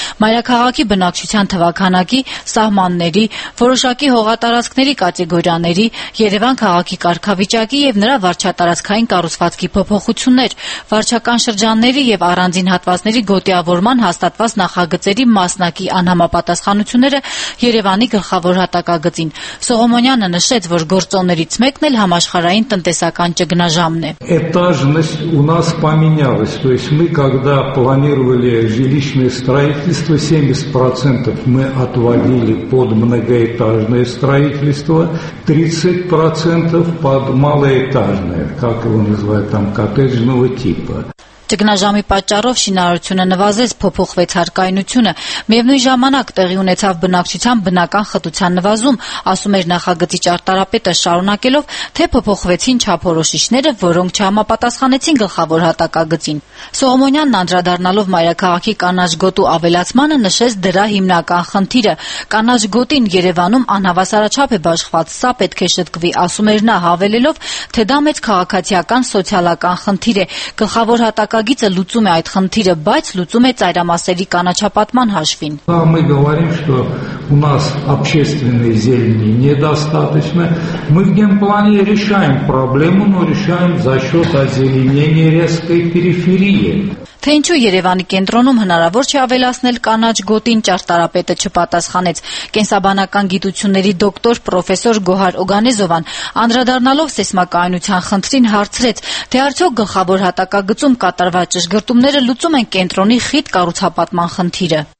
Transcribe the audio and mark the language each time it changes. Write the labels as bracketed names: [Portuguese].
[Armenian] Մայրաքաղաքի բնակչության թվականակի սահմանների, որոշակի հողատարածքների կատեգորիաների, Երևան քաղաքի կարգավիճակի եւ նրա վարչատարածքային կառուցվածքի փոփոխություններ, վարչական շրջանների եւ առանձին հատվածների գոտիավորման հաստատված նախագծերի մասնակի անհամապատասխանությունները Երևանի գլխավոր հատակագծին։ Սողոմոնյանը նշեց, որ գործոններից մեկն էլ համաշխարհային տնտեսական ճգնաժամն է։ [Russian] Этажность у нас поменялась, то есть мы когда планировали жилищное строительство 70% мы отводили под многоэтажное строительство, 30% под малоэтажное, как его называют там, коттеджного типа. [Armenian] Ճգնաժամի պատճառով շինարարությունը նվազեց փոփոխվեց հարկայնությունը, միևնույն ժամանակ տեղի ունեցավ բնակչության բնական խտության նվազում, ասում էր նախագծի ճարտարապետը շարունակելով, թե փոփոխվեցին չափորոշիչները, որոնք չհամապատասխանեցին գլխավոր հատակագծին։ Սողոմոնյանն անդրադառնալով մայրաքաղաքի կանաչ գոտու ավելացմանը նշեց դրա հիմնական խնդիրը։ Կանաչ գոտին Երևանում անհավասարաչափ է բաշխված, սա պետք է շտկվի, ասում էր նա, հավելելով, թե դա մեծ քաղաքացիական սոցիալական խնդիր է։ Գլխավոր Հատակագիծը լուծում է այդ խնդիրը, բայց լուծում է ծայրամասերի կանաչապատման հաշվին։ [Russian] Да, мы говорим, что у нас общественной зелени недостаточно. Мы в генплане решаем проблему, но решаем за счёт озеленения резкой периферии. [Armenian] Թե ինչու Երևանի կենտրոնում հնարավոր չէ ավելացնել կանաչ գոտին, ճարտարապետը չպատասխանեց։ Կենսաբանական գիտությունների դոկտոր պրոֆեսոր Գոհար Օգանեզովան, անդրադառնալով սեյսմակայունության խնդրին, հարցրեց, թե արդյոք գլխավոր հատակագծում կատարված ճշգրտումները լուծում են կենտրոնի խիտ կառուցապատման խնդիրը։